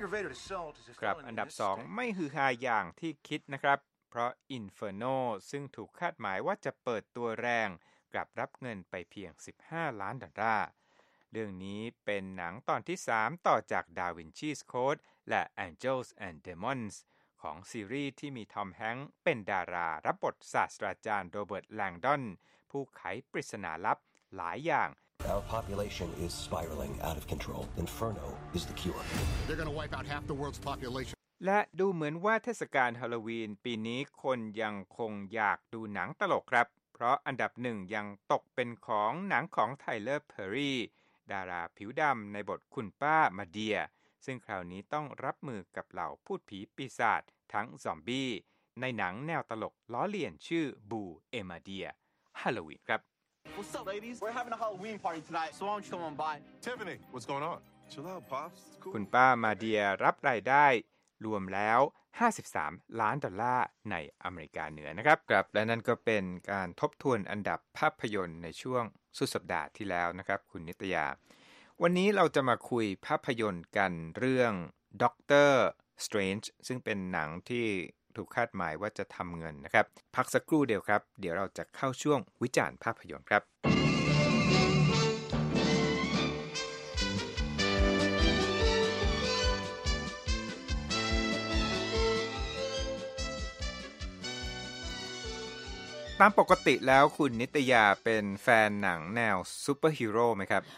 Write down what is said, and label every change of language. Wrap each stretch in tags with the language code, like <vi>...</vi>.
<en>aggravated assault is a</en> <th>อันดับ2ไม่ฮือฮาอย่างที่คิดนะครับเพราะ Inferno ซึ่งถูกคาดหมายว่าจะเปิดตัวแรงกลับรับเงินไปเพียง15ล้านดอลลาร์เรื่องนี้เป็นหนังตอนที่3ต่อจาก Da Vinci's Code และ Angels and Demons ของซีรีส์ที่มีทอมแฮงค์เป็นดารารับบทศาสตราจารย์โรเบิร์ตแลงดอนผู้ไขปริศนาลับหลายอย่าง</th> <en>Our population is spiraling out of control. Inferno is the cure. They're going to wipe out half the world's population.</en> <th>และดูเหมือนว่าเทศกาลฮาโลวีนปีนี้คนยังคงอยากดูหนังตลกครับเพราะอันดับหนึ่งยังตกเป็นของหนังของไทเลอร์เพอร์รี่ดาราผิวดำในบทคุณป้ามาเดียซึ่งคราวนี้ต้องรับมือกับเหล่าพูดผีปีศาจทั้งซอมบี้ในหนังแนวตลกล้อเลียนชื่อบูเอมาเดียฮาโลวีนครับ</th> <en>What's up, ladies? We're having a Halloween party tonight, so why don't you come on by? Tiffany, what's going on? Chill out, pops. It's cool.</en> <th>คุณป้ามาเดียรับรายได้รวมแล้ว53ล้านดอลลาร์ในอเมริกาเหนือนะครับครับและนั่นก็เป็นการทบทวนอันดับภาพยนตร์ในช่วงสุดสัปดาห์ที่แล้วนะครับคุณนิตยา วันนี้เราจะมาคุยภาพยนตร์กันเรื่อง Doctor Strange ซึ่งเป็นหนังที่ถูกคาดหมายว่าจะทำเงินนะครับพักสักครู่เดียวครับเดี๋ยวเราจะเข้าช่วงวิจารณ์ภาพยนตร์ครับตามปกติแล้วคุณนิตยาเป็นแฟนหนังแนวซูเปอร์ฮีโร่ไหมครับ</th>